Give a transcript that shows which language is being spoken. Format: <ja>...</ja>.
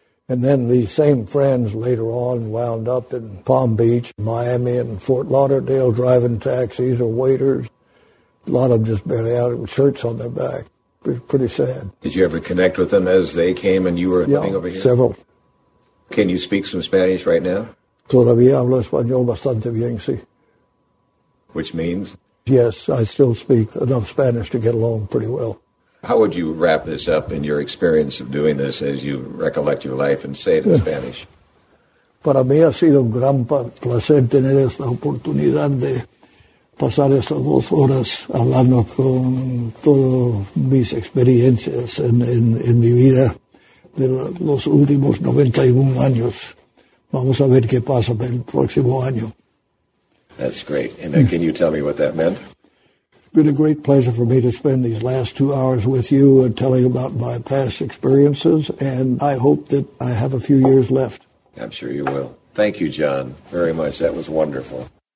<en>And then these same friends later on wound up in Palm Beach, Miami, and Fort Lauderdale driving taxis or waiters. A lot of them just barely out with shirts on their back. Pretty sad. Did you ever connect with them as they came and you were living over here? Several. Can you speak some Spanish right now?</en> <es>Todavía hablo español bastante bien, sí.</es> <en>Which means? Yes, I still speak enough Spanish to get along pretty well. How would you wrap this up in your experience of doing this as you recollect your life and say it in Spanish?</en> <es>Para mí ha sido un gran placer tener esta oportunidad de pasar estas dos horas hablando con todas mis experiencias en mi vida de los últimos 91 años. Vamos a ver qué pasa el próximo año.</es> <en>That's great. And can you tell me what that meant? It's been a great pleasure for me to spend these last 2 hours with you and telling about my past experiences, and I hope that I have a few years left. I'm sure you will. Thank you, John, very much. That was wonderful.</en>